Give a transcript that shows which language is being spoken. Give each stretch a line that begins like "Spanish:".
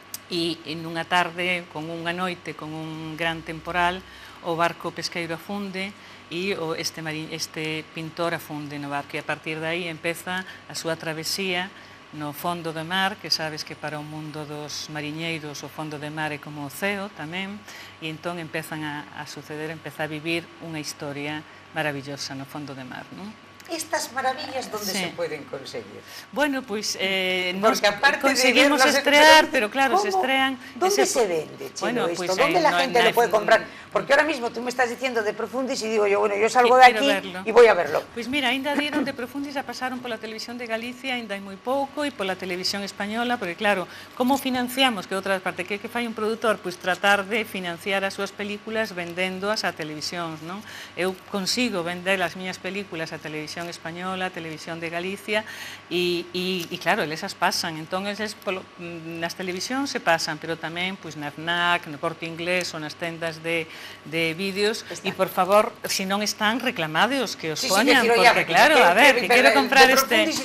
Galician: E nunha tarde, con unha noite, con un gran temporal, o barco pesqueiro afunde e este pintor afunde no barco. E a partir de aí empeza a súa travesía no fondo do mar, que sabes que para o mundo dos mariñeiros o fondo do mar é como o ceo tamén, e entón empezan a suceder, empeza a vivir unha historia maravillosa no fondo do mar, non?
Spanish: Estas maravillas, ¿dónde se pueden conseguir? Bueno, pues conseguimos estrear, pero claro, se estrean... ¿Dónde se vende, Chelo, esto? ¿Dónde la gente lo puede comprar? Porque ahora mismo tú me estás diciendo de Profundis y digo yo, bueno, yo salgo de aquí y voy a verlo. Pues mira, ainda dieron de Profundis, ya pasaron por la televisión de Galicia, ainda hay muy poco, y por la televisión española, porque claro, ¿cómo financiamos? Que otra parte, ¿qué fai un productor?
Galician: Pues tratar de financiar as súas películas vendéndoas a televisión, ¿no? Eu consigo vender as miñas películas a televisión española, a televisión de Galicia,
Spanish: y claro, esas pasan.
Galician: Entonces, nas televisión se pasan, pero tamén pues, na FNAC, no Corte Inglés ou nas tendas de vídeos, e por favor, se si non están, reclamadeos que os poñan, porque claro, a ver, que quero comprar este...